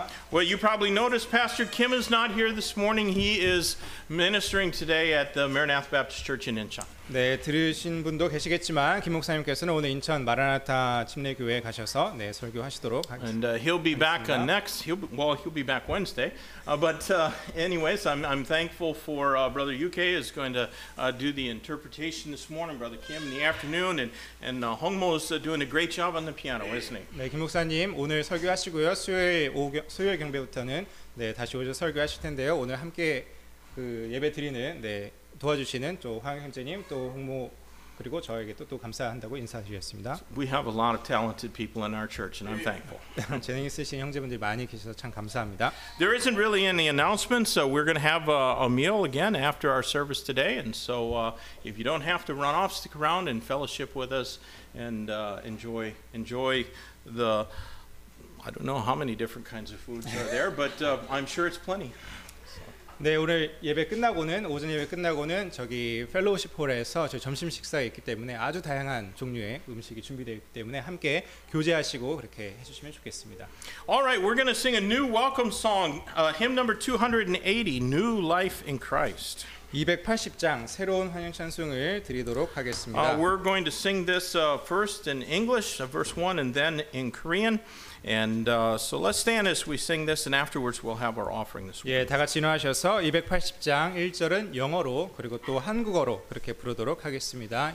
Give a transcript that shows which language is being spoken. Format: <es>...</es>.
<en>Well, you probably noticed Pastor Kim is not here this morning. He is ministering today at the Maranatha Baptist Church in Incheon.</en> <ko>네, 들으신 분도 계시겠지만 김 목사님께서는 오늘 인천 마라나타 침례교회 가셔서 네, 설교하시도록 하겠습니다.</ko> <en>And he'll be back next. He'll be back Wednesday. But anyways, I'm thankful for Brother UK is going to do the interpretation this morning, Brother Kim in the afternoon, and Hongmo is doing a great job on the piano, isn't he?</en> <ko>네, 김 목사님 오늘 설교하시고요. 수요일 경배부터는 네, 다시 오셔서 설교하실 텐데요. 오늘 함께 그 예배 드리는 네, 도와주시는 또 황 형제님 또 홍모 그리고 저에게 또 감사한다고 인사드렸습니다.</ko> <en>We have a lot of talented people in our church and I'm thankful.</en> <ko>재능 있으신 형제분들이 많이 계셔서 참 감사합니다.</ko> <en>There isn't really any announcements, so we're going to have a meal again after our service today, and so if you don't have to run off, stick around and fellowship with us and enjoy the I don't know how many different kinds of foods are there, but I'm sure it's plenty.</en> <ko>네, 오늘 예배 끝나고는 오전 예배 끝나고는 저기 펠로우십 홀에서 저희 점심 식사가 있기 때문에 아주 다양한 종류의 음식이 준비되어 있기 때문에 함께 교제하시고 그렇게 해 주시면 좋겠습니다.</ko> <en>All right, we're going to sing a new welcome song, hymn number 280, New Life in Christ.</en> <ko>280장 새로운 환영 찬송을 드리도록 하겠습니다.</ko> <en>We're going to sing this first in English, verse 1, and then in Korean. And so let's stand as we sing this, and afterwards we'll have our offering this week.</en> <ko>예, 다 같이 일어나셔서 280장 1절은 영어로 그리고 또 한국어로 그렇게 부르도록 하겠습니다.</ko>